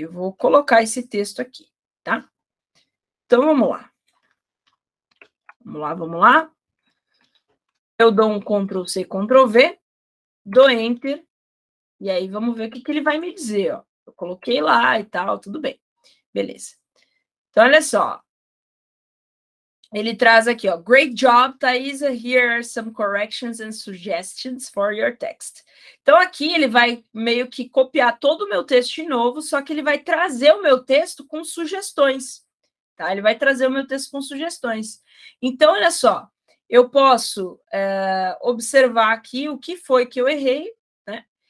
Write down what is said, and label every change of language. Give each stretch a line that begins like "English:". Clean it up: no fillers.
Portuguese: Eu vou colocar esse texto aqui, tá? Então, vamos lá. Vamos lá, vamos lá. Eu dou um Ctrl-C, Ctrl-V, dou Enter, e aí vamos ver o que, que ele vai me dizer, ó. Eu coloquei lá e tal, tudo bem. Beleza. Então, olha só. Ele traz aqui, ó,
English: great job, Thaisa, here are some corrections and suggestions for your text.
Portuguese: Então, aqui ele vai meio que copiar todo o meu texto de novo, só que ele vai trazer o meu texto com sugestões, tá? Ele vai trazer o meu texto com sugestões. Então, olha só, eu posso observar aqui o que foi que eu errei, né?